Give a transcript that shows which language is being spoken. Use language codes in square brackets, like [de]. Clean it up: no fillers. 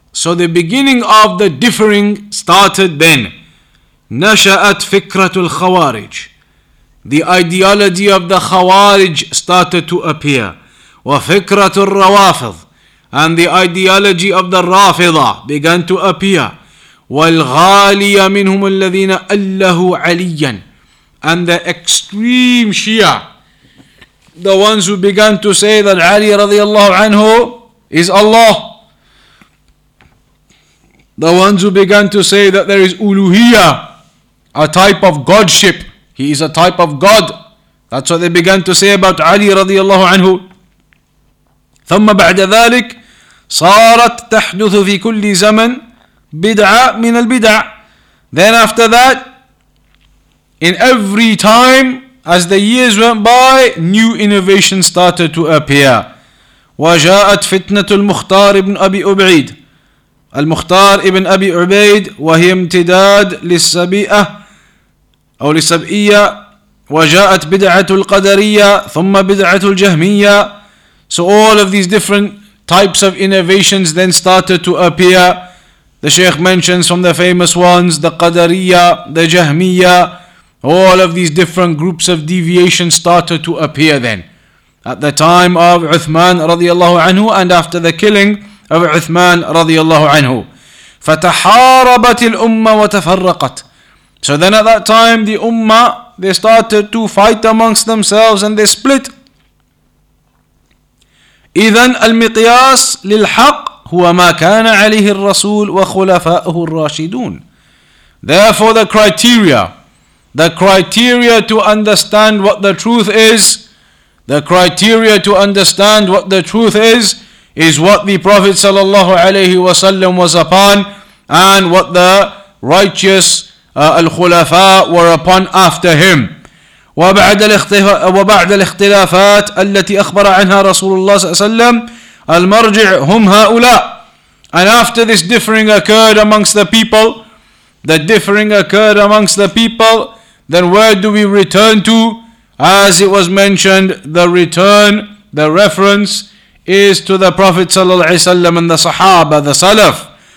[en] So the beginning of the differing started then. [ar] نَشَأَتْ فِكْرَةُ الْخَوَارِجِ. [en] The ideology of the Khawarij started to appear. [ar] وَفِكْرَةُ الرَّوَافِضِ. [en] And the ideology of the Rafida began to appear. [ar] والغالية منهم الذين ألهوا عليا. [en] And the extreme Shia, the ones who began to say that Ali رضي الله عنه is Allah, the ones who began to say that there is Uluhiyya, a type of Godship, he is a type of God, that's what they began to say about Ali رضي الله عنه. [ar] ثم بعد ذلك صارت تحدث في كل زمن بِدْعَ مِنَ الْبِدْعَ. [en] Then after that, in every time, as the years went by, new innovation started to appear. [ar] وَجَاءَتْ فِتْنَةُ الْمُخْتَارِ بْنُ أَبِي أُبْعِيدِ. المختار ابن أبي عبيد وهي امتداد للسبيئة أو للسبئية. وَجَاءَتْ بِدْعَةُ الْقَدَرِيَّةِ ثُمَّ بِدْعَةُ الْجَهْمِيَّةِ. [en] So all of these different types of innovations then started to appear. The Shaykh mentions from the famous ones, the Qadariya, the Jahmiya, all of these different groups of deviation started to appear then. At the time of Uthman radiallahu anhu and after the killing of Uthman radiallahu anhu. [ar] فَتَحَارَبَتِ الْأُمَّةِ وَتَفَرَّقَتْ. [en] So then at that time the Ummah, they started to fight amongst themselves and they split. [ar] إِذَنْ الْمِقْيَاسِ لِلْحَقِّ هو ما كان عليه الرسول وخلفائه الراشدون. [en] Therefore the criteria to understand what the truth is, the criteria to understand what the truth is what the Prophet sallallahu alayhi wa sallam was upon and what the righteous al-khulafa were upon after him. [ar] وبعد الاختلافات التي اخبر عنها رسول الله صلى الله عليه وسلم المرجع هم هؤلاء. [en] And after this differing occurred amongst the people, then where do we return to? As it was mentioned, the return, the reference is to the Prophet sallallahu alaihi wasallam and the Sahaba, the Salaf.